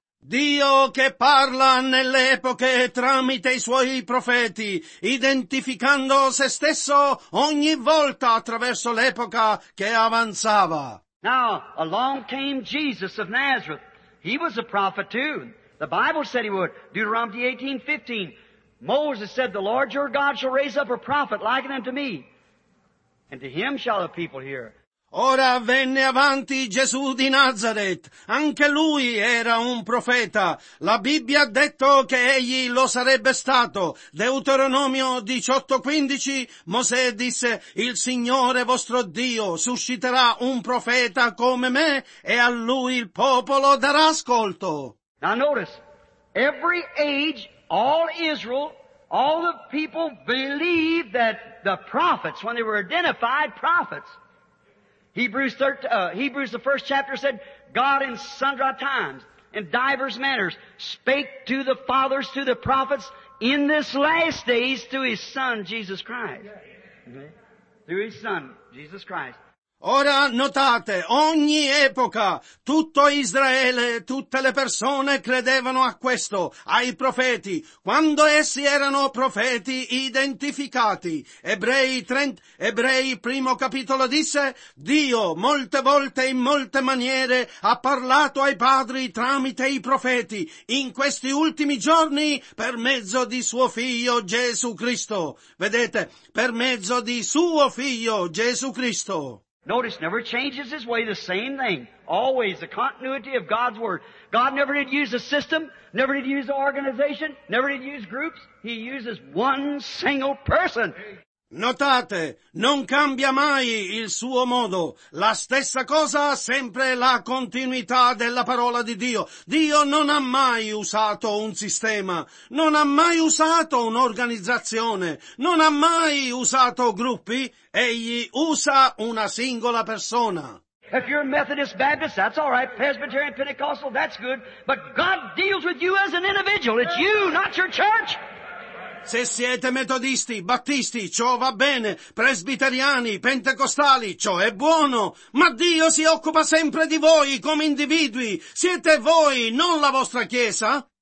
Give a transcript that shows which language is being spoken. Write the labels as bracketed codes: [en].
[it] Dio che parla nelle epoche tramite i suoi profeti, identificando se stesso ogni volta attraverso l'epoca che avanzava. [en] Now, along came Jesus of Nazareth. He was a prophet too. The Bible said he would. Deuteronomy 18:15. Moses said, "The Lord your God shall raise up a prophet like unto me, and to him shall the people hear." [it] Ora venne avanti Gesù di Nazareth. Anche lui era un profeta. La Bibbia ha detto che egli lo sarebbe stato. Deuteronomio 18:15, Mosè disse, "Il Signore vostro Dio susciterà un profeta come me e a lui il popolo darà ascolto." [en] Now notice, every age, all Israel, all the people believed that the prophets, when they were identified prophets, Hebrews the first chapter said, God in sundry times, in divers manners, spake to the fathers, to the prophets, in this last days, to his son, Jesus Christ. Through his son, Jesus Christ. [it] Ora notate, ogni epoca, tutto Israele, tutte le persone credevano a questo, ai profeti, quando essi erano profeti identificati. Ebrei primo capitolo disse, Dio molte volte in molte maniere ha parlato ai padri tramite i profeti, in questi ultimi giorni per mezzo di suo figlio Gesù Cristo. Vedete, per mezzo di suo figlio Gesù Cristo. [en] Notice, never changes his way, the same thing. Always the continuity of God's Word. God never did use a system, never did use an organization, never did use groups. He uses one single person. [it] Notate, non cambia mai il suo modo. La stessa cosa, sempre la continuità della parola di Dio. Dio non ha mai usato un sistema, non ha mai usato un'organizzazione, non ha mai usato gruppi. Egli usa una singola persona. [en] If you're Methodist, Baptist, that's all right. Presbyterian, Pentecostal, that's good. But God deals with you as an individual. It's you, not your church. [it] Se siete metodisti, battisti, ciò va bene, presbiteriani, pentecostali, ciò è buono, ma Dio si occupa sempre di voi come individui, siete voi, non la vostra chiesa.